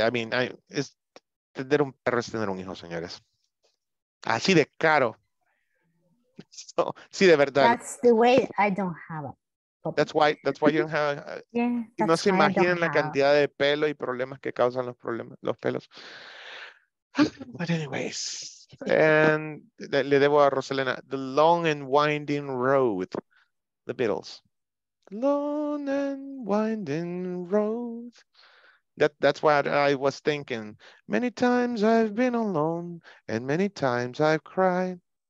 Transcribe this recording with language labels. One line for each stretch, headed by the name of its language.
English: I mean,
Spanish: tener un perro es tener un hijo, señores. Así de caro.
English: So,
Spanish: sí, de verdad.
English: That's the way I don't have a puppy. That's why you don't have. Yeah,
Spanish: no se imaginen la cantidad de pelo y problemas que causan los pelos.
English: But anyways,
Spanish: and le debo a
English: Rosalena, the long and winding road, the Beatles. Long and winding road. That's what I was thinking. Many times I've been alone and many times I've cried.